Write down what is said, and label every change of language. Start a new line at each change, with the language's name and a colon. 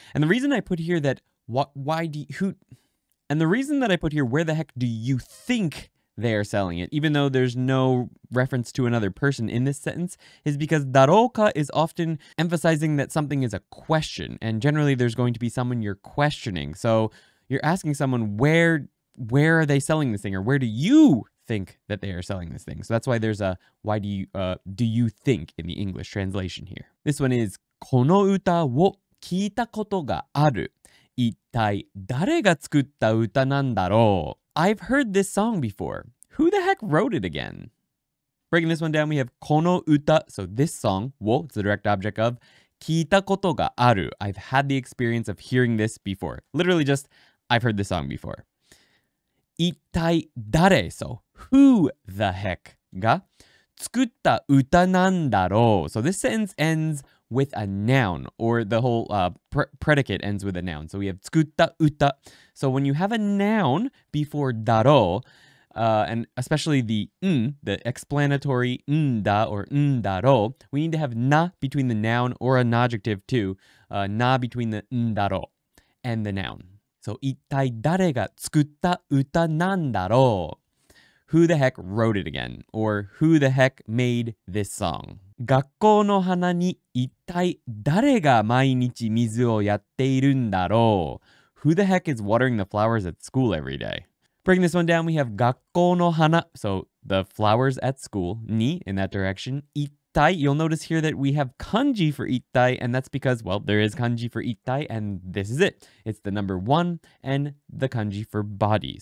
English: And the reason I put here that, what, why do you, who, and the reason that I put here, where the heck do you think they are selling it, even though there's no reference to another person in this sentence, is because だろうか is often emphasizing that something is a question, and generally there's going to be someone you're questioning. So you're asking someone, where are they selling this thing, or where do you think that they are selling this thing? So that's why there's a, why do you think in the English translation here.
Japanese: This one is,この歌を聞いたことがある。一体誰が作った歌なんだろう?
English: I've heard this song before. Who the heck wrote it again? Breaking this one down, we have
Japanese: この歌,
English: so this song, を, it's the direct object of,
Japanese: 聞いたことがある.
English: I've had the experience of hearing this before. Literally just, I've heard this song before.
Japanese: 一体誰,
English: so who the heck
Japanese: が作った歌なんだろう?
English: So this sentence ends... with a noun, or the whole predicate ends with a noun. So we have
Japanese: 作った歌.
English: So when you have a noun before だろう, and especially the ん, the explanatory んだ or んだろう, we need to have な between the noun or an adjective too, な between the んだろう and the noun.
Japanese: So 一体誰が作った歌なんだろう?
English: Who the heck wrote it again? Or who the heck made this song?
Japanese: 学校の花に一体誰が毎日水をやっているんだろう?
English: Who the heck is watering the flowers at school every day? Bring this one down, we have
Japanese: 学校の花.
English: So the flowers at school, に, in that direction. 一体, you'll notice here that we have kanji for 一体, and that's because, well, there is kanji for 一体, and this is it. It's the number one, and the kanji for body.